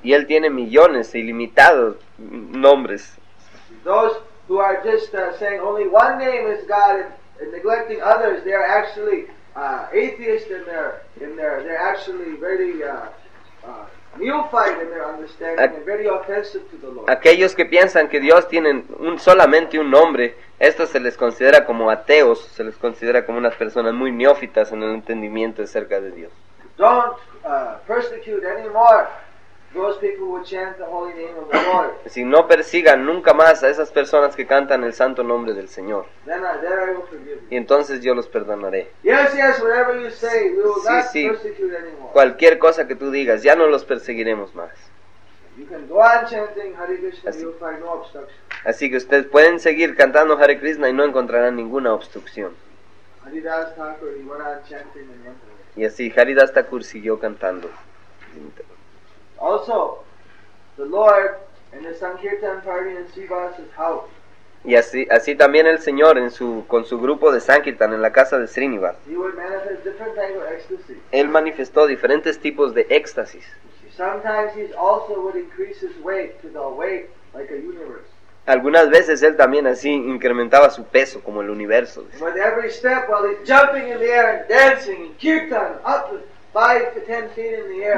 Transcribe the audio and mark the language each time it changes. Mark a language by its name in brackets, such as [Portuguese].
[Spanish] Y él tiene millones ilimitados nombres. [English] Those who are just saying only one name is God and neglecting others, they are actually atheists they're actually very neophyte in their understanding and very offensive to the Lord. [Spanish] Aquellos que piensan que Dios tiene solamente un nombre, estos se les considera como ateos, se les considera como unas personas muy neófitas en el entendimiento acerca de Dios. [English] Don't persecute anymore those people who chant the holy name of the Lord. [Spanish] Si no persigan nunca más a esas personas que cantan el santo nombre del Señor. [English] Then I will forgive you. [Spanish] Y entonces yo los perdonaré. [English] Yes, whatever you say, we will not persecute anymore. [Spanish] Cualquier cosa que tú digas, ya no los perseguiremos más. [English] You can go on chanting Hare Krishna, así, you'll find no obstruction. [Spanish] Así que ustedes pueden seguir cantando Hare Krishna y no encontrarán ninguna obstrucción. [English] Haridas Thakur, he went on chanting and went. [Spanish] Y así Haridas Thakur siguió cantando. [English] Also, the Lord in the Sankirtan party in Srivas's house. [Spanish] Y así también el Señor en su con su grupo de Sankirtan en la casa de Srinivas. [English] He would manifest different types of ecstasy. [Spanish] Él manifestó diferentes tipos de éxtasis. [English] Sometimes he also would increase his weight to the weight like a universe. [Spanish] Algunas veces él también así incrementaba su peso como el universo. [English] With every step while he's jumping in the air and dancing in kirtan up 5 to 10 feet in the air.